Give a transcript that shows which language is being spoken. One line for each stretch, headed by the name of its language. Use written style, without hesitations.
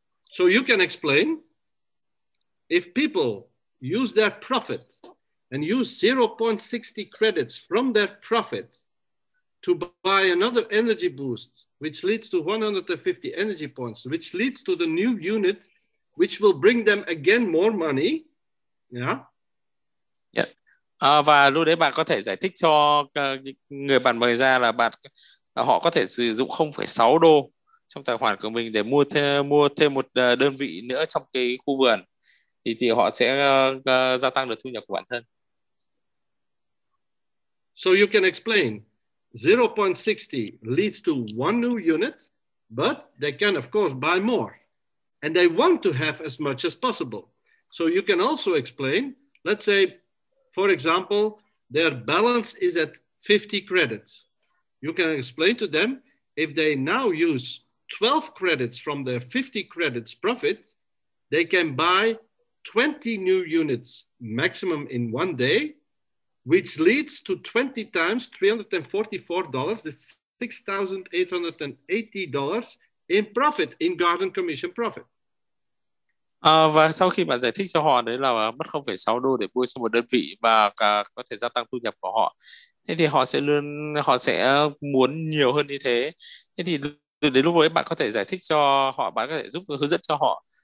English: So you can explain, if people use their profit and use 0.60 credits from their profit to buy another energy boost, which leads to 150 energy points, which leads to the new unit, which will bring them again more money. Yeah.
Vietnamese: Và lúc đấy bạn có thể giải thích cho người bạn mời ra là họ có thể sử dụng $0.6 trong tài khoản của mình để mua thêm một đơn vị nữa trong cái khu vườn, thì họ sẽ gia tăng được thu nhập của bản thân.
English: So you can explain 0.60 leads to one new unit, But they can, of course, buy more. And they want to have as much as possible. So you can also explain, let's say, for example, their balance is at 50 credits. You can explain to them, if they now use 12 credits from their 50 credits profit, they can buy 20 new units maximum in one day, which leads to 20 times $344, this $6,880 in profit, in garden commission profit.
Vietnamese: Và sau khi bạn giải thích cho họ đấy là mất 0,6 đô để mua cho một đơn vị và có thể gia tăng thu nhập của họ, thế thì họ sẽ muốn nhiều hơn như thế. Thế thì đến lúc đấy bạn có thể giải thích cho họ, bạn có thể giúp hướng dẫn cho họ.